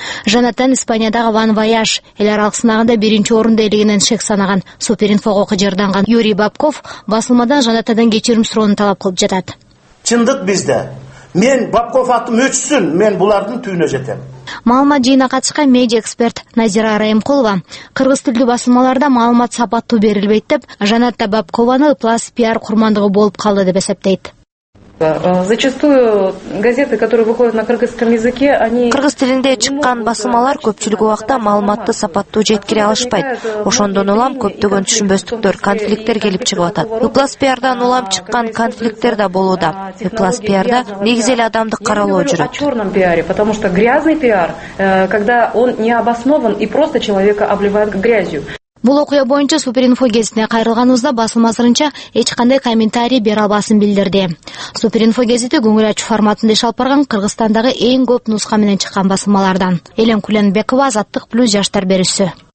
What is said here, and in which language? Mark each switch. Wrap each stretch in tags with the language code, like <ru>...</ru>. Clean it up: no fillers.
<ky>Жанатан Испаниядагы Ван Вояж эл аралык сынагында биринчи орунду ээлегенен шек санаган Суперинфого жарданган Юрий Бабков басылмадан Жанатандан кечирим суроону талап кылып жатат. Чындык бизде. Мен Бабков атым өчсүн, мен булардын түйүнө жетем. Маалымат жыйына катышкан медиа эксперт Назира Райымкулова кыргыз тилдүү басылмаларда маалымат сапаттуу берилбейт деп, Жанатта Бабкованы пласт пиар курмандыгы болуп калды деп эсептейт.</ky> <ru>Зачастую газеты, которые выходят на кыргызском языке, они</ru> <ky>кыргыз тилинде чыккан басылмалар көпчүлүк убакта маалыматты сапаттуу жеткире алышпайт. Ошондон улам көптөгөн түшүнбөстүктөр, конфликттер келип чыгып атат. Уплас пиардан улам чыккан конфликттер да болууда. Уплас пиарда негизи эле адамдык каралоо жүрөт.</ky> <ru>Чёрном пиаре, потому что грязный пиар, когда он не обоснован и просто человека обливает грязью.</ru> <ky>Бул окуя боюнча Суперинфо гезитине кайрылганыбызда басылмасынча эч кандай комментарий бере албасын билдирди. Суперинфо гезити көңүл ачуу форматында иш алып барган Кыргызстандагы эң көп нуска менен чыккан басылмалардан. Элен Куленбекова, Азаттык Плюс жаштар берүүсү.</ky>